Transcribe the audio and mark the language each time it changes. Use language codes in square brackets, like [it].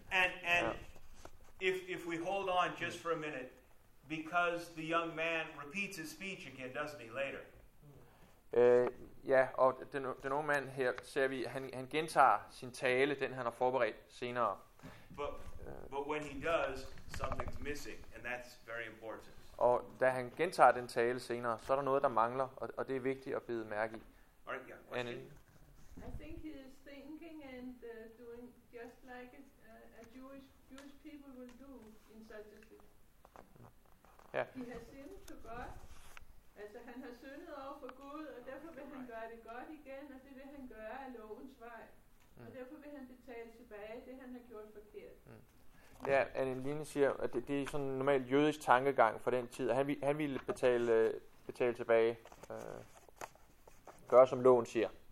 [en] And if we hold on just for a minute, because the young man repeats his speech again, doesn't he? Later. [da] Ja, og den unge mand her, ser vi, han gentager sin tale, den han har forberedt senere. [en] But when he does, something's missing, and that's very important. [da] Og da han gentager den tale senere, så er der noget, der mangler, og det er vigtigt at bide mærke i. [en] Alright, yeah. I think he is thinking and doing just like a Jewish people will do in such a situation. Yeah. He has sinned to God. [da] Altså, han har syndet over for Gud, og derfor vil han gøre det godt igen, og det vil han gøre af lovens vej. Mm. Og derfor vil han betale tilbage det, han har gjort forkert. Ja, Anne-Line siger, at det er sådan en normal jødisk tankegang for den tid. Han ville betale tilbage, gøre som loven siger.